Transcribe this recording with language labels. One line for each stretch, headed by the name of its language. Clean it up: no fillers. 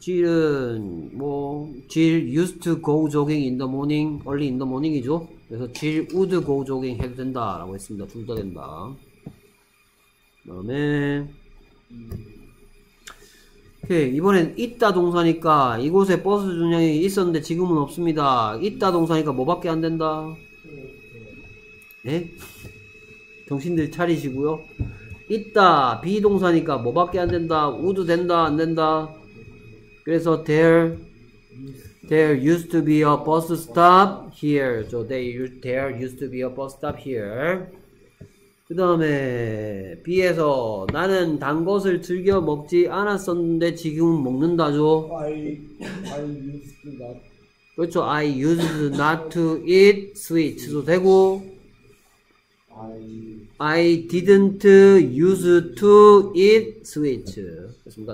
Korean: 질은 뭐,
English: 질 used to go jogging in the morning, early in the morning이죠.
Korean: 그래서 질
English: would go jogging
Korean: 해도 된다라고 했습니다. 둘다 된다. 그다음에 오케이, 이번엔 있다 동사니까 이곳에 버스 중량이 있었는데 지금은 없습니다. 있다 동사니까 뭐밖에 안 된다? 예? 정신들 차리시고요. 있다 비동사니까 뭐밖에 안 된다?
English: would
Korean: 된다 안 된다? 그래서
English: there used to be a bus stop here. So there used to be a bus stop here.
Korean: 그다음에 비에서 나는 단 것을 즐겨 먹지 않았었는데 지금은 먹는다죠.
English: I used to not.
Korean: 그렇죠.
English: I used not to eat sweets도 되고 I didn't use to eat sweets.
Korean: 그렇습니까?